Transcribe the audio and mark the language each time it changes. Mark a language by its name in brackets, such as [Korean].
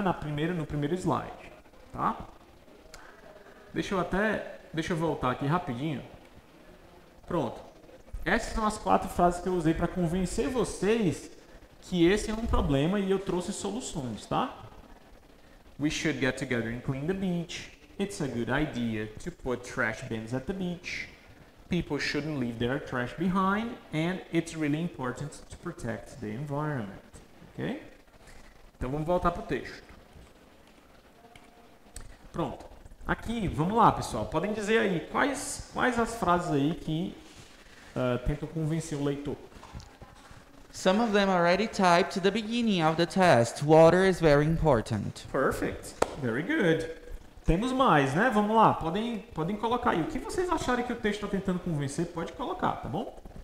[Portuguese] No primeiro slide, tá? Deixa eu voltar aqui rapidinho. Pronto. Essas são as quatro frases que eu usei para convencer vocês que esse é um problema e eu trouxe soluções, tá? [English] We should get together and clean the beach. It's a good idea to put trash bins at the beach. People shouldn't leave their trash behind. And it's really important to protect the environment. [Portuguese] Ok? Então, vamos voltar para o texto. Pronto. Aqui, vamos lá, pessoal. Podem dizer aí quais as frases aí que tentam convencer o leitor. [English] Some of them already typed the beginning of the test. Water is very important. Perfect. Very good. [Portuguese] Temos mais, né? Vamos lá, podem colocar aí. O que vocês acharem que o texto está tentando convencer, pode colocar, tá bom?